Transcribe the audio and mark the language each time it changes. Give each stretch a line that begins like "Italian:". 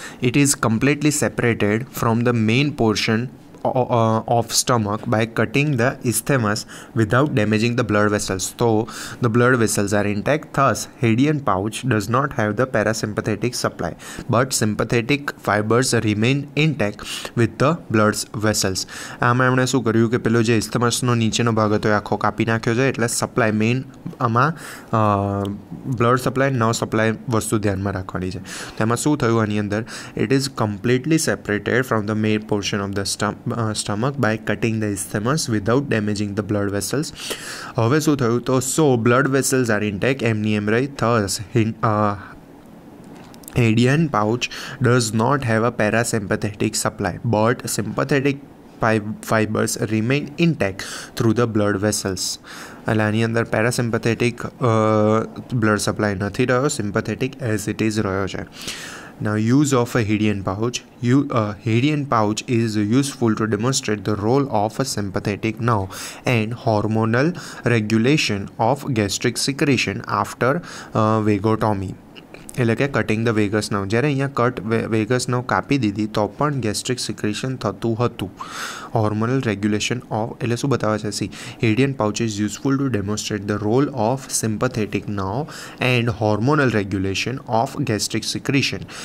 English: It is completely separated from the main portion of stomach by cutting the isthmus without damaging the blood vessels. So the blood vessels are intact. Thus, Hadean pouch does not have the parasympathetic supply, but sympathetic fibers remain intact with the blood vessels.
Gujarati: આમાં એમણે શું કર્યું કે પેલો જે ઇસ્થમસનો નીચેનો ભાગ હતો એ આખો કાપી નાખ્યો છે, એટલે સપ્લાય મેઇન આમાં બ્લડ સપ્લાય ન સપ્લાય વસ્તુ ધ્યાનમાં રાખવાની છે. તેમાં શું થયું આની અંદર,
English: It is completely separated from the main portion of the stomach by cutting the isthmus without damaging the blood vessels.
Gujarati: હવે શું થયું તો,
English: so blood vessels are intact
Gujarati: એમની એમ રહી,
English: Thus Heidenhain pouch does not have a parasympathetic supply but sympathetic fibres remain intact through the blood vessels.
Gujarati: એટલે આની અંદર પેરાસિમ્પથેટિક blood supply નથી રહ્યો, સિમ્પથેટિક
English: as it is
Gujarati: રહ્યો છે.
English: Now, use of a Hadean pouch. Hadean pouch is useful to demonstrate the role of a sympathetic nerve and hormonal regulation of gastric secretion after vagotomy.
Gujarati: એટલે કે
English: cutting the vagus nerve,
Gujarati: જ્યારે અહીંયા cut Vegas nerve કાપી દીધી તો પણ gastric secretion થતું હતું.
English: hormonal regulation of
Gujarati: એટલે શું બતાવે છે,
English: See Heidenhain pouch is useful to demonstrate the role of sympathetic nerve and hormonal regulation of gastric secretion.